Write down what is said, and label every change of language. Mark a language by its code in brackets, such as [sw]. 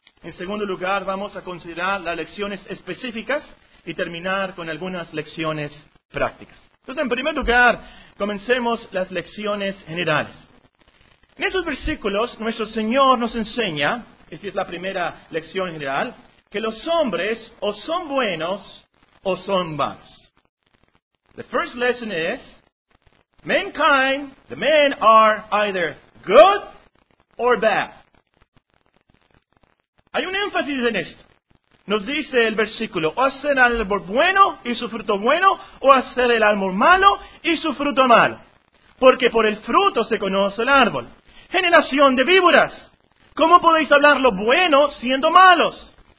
[es] En segundo lugar vamos a considerar las lecciones específicas y terminar con algunas lecciones prácticas. Entonces, en primer lugar, comencemos las lecciones generales. En esos versículos, nuestro Señor nos enseña, esta es la primera lección general, que los hombres o son buenos o son malos. [en] The first lesson is, mankind, the men are either good or bad. [es] Hay un énfasis en esto. Nos dice el versículo, o hacer el árbol bueno y su fruto bueno, o hacer el árbol malo y su fruto malo. Porque por el fruto se conoce el árbol. Generación de víboras, ¿cómo podéis hablar lo bueno siendo malos?